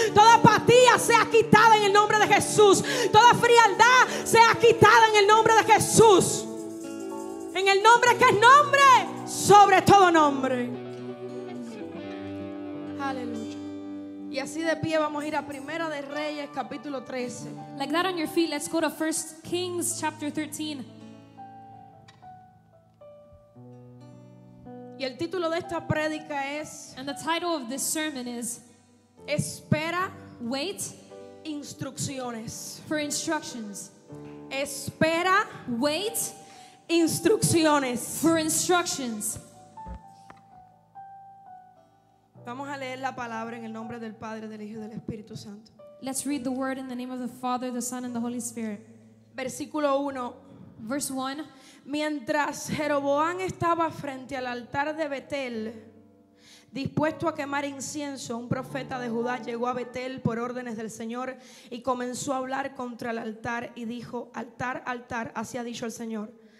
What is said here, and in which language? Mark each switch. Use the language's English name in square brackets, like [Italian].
[Spanish] Toda apatía sea quitada en el nombre de Jesús. Toda frialdad sea quitada en el nombre de Jesús. En el nombre que es nombre, sobre todo nombre. Aleluya. Y así de pie vamos a ir a Primera de Reyes, capítulo 13. [English] Like that on your feet, let's go to 1 Kings, chapter 13. [Spanish] Y el título de esta prédica es... [English] And the title of this sermon is... [Spanish] Espera... [English] Wait... [Spanish] Instrucciones. [English] For instructions. [Spanish] Espera... [English] Wait... [Spanish] Instrucciones. [English] For instructions. [Spanish] Vamos a leer la palabra en el nombre del Padre, del Hijo y del Espíritu Santo. [English] Let's read the word in the name of the Father, the Son, and the Holy Spirit. [Spanish] Versículo 1. [English] Verse 1. [Spanish] Mientras Jeroboam estaba frente al altar de Betel, dispuesto a quemar incienso, un profeta de Judá llegó a Betel por órdenes del Señor y comenzó a hablar contra el altar y dijo: Altar, altar, así ha dicho el Señor.